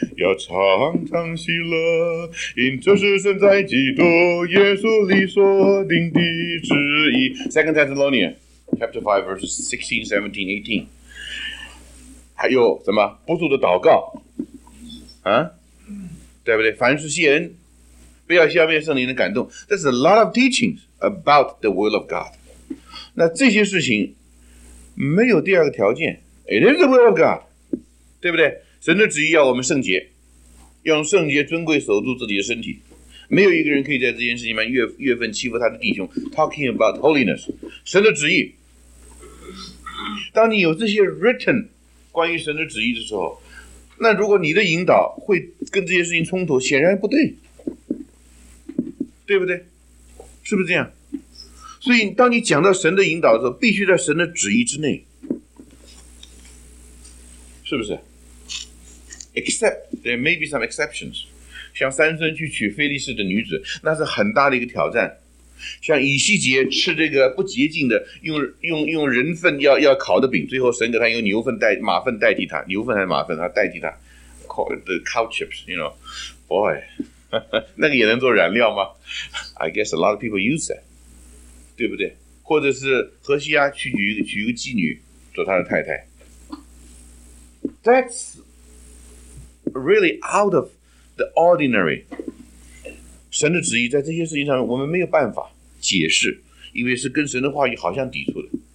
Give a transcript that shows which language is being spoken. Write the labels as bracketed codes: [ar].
[zh] 要常常喜乐，因这是神在基督耶稣里所定的旨意。 [en] Second Thessalonians chapter 5 verses 16, 17, 18。 [zh] 还有什么不住的祷告？啊？对不对？凡事谢恩，不要消灭圣灵的感动。 [en] There's a lot of teachings about the will of God。 [zh] 那这些事情没有第二个条件。 [en] It is the will of God， [zh] 对不对？神的旨意要我们圣洁，用圣洁尊贵守住自己的身体。没有一个人可以在这件事情上越分欺负他的弟兄。 [en] Talking about holiness， [zh] 神的旨意。当你有这些 written 关于神的旨意的时候，那如果你的引导会跟这些事情冲突，显然不对，对不对？是不是这样？所以当你讲到神的引导的时候，必须在神的旨意之内，是不是？ [en] Except there may be some exceptions， [zh] 像三孙去娶非利士的女子，那是很大的一个挑战。像以西结吃这个不洁净的用人粪要烤的饼，最后神给他用牛粪代马粪代替他，牛粪还是马粪，他代替他 [en] call the cow chips， you know boy， [zh] 那个也能做燃料吗？ [en] I guess a lot of people use that， [zh] 对不对？或者是何西阿去娶一个妓女做他的太太， [en] that's really out of the ordinary. [zh] 神的旨意在这些事情上我们没有办法解释，因为是跟神的话语好像抵触的。